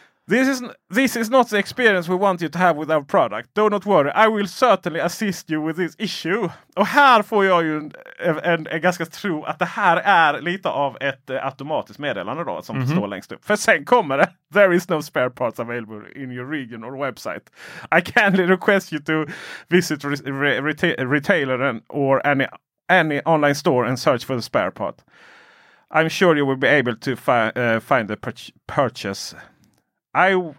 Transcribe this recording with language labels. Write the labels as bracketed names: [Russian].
[English] This is not the experience we want you to have with our product. Do not worry, I will certainly assist you with this issue. [Swedish] Och här får jag ju en ganska tro att det här är lite av ett automatiskt meddelande då som mm-hmm. står längst upp. För sen kommer det. [English] There is no spare parts available in your region or website. I kindly request you to visit retailer or any online store and search for the spare part. I'm sure you will be able to find the purchase. I